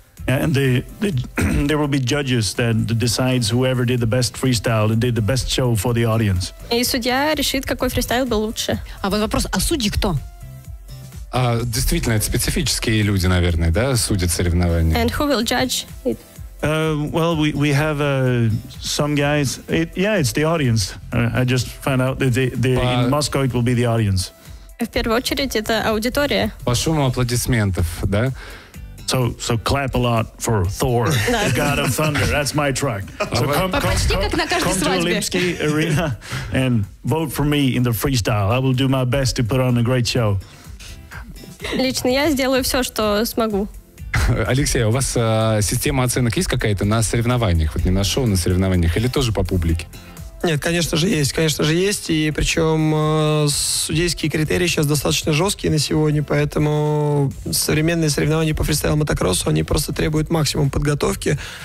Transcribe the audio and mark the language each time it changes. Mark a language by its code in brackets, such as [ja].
[en] And there will be judges that decides whoever did the best freestyle and did the best show for the audience. [ru] И судья решит, какой фристайл был лучше. А вот вопрос, а судьи кто? Действительно, это специфические люди, наверное, да, судят соревнования. [en] And who will judge it? Well, we have some guys. It's the audience. I just found out that in Moscow it will be the audience. [ru] В первую очередь это аудитория. По шуму аплодисментов, да? [en] So clap a lot for Thor, the god of thunder. That's my track. So come to Olimpsky Arena and vote for me in the freestyle. I will do my best to put on a great show. [ru] Лично я сделаю все, что смогу. Алексей, у вас система оценок есть какая-то на соревнованиях? Вот не на шоу, на соревнованиях, или тоже по публике? Нет, конечно же есть. И причем судейские критерии сейчас достаточно жесткие на сегодня, поэтому современные соревнования по фристайл-мотокроссу, они просто требуют максимум подготовки.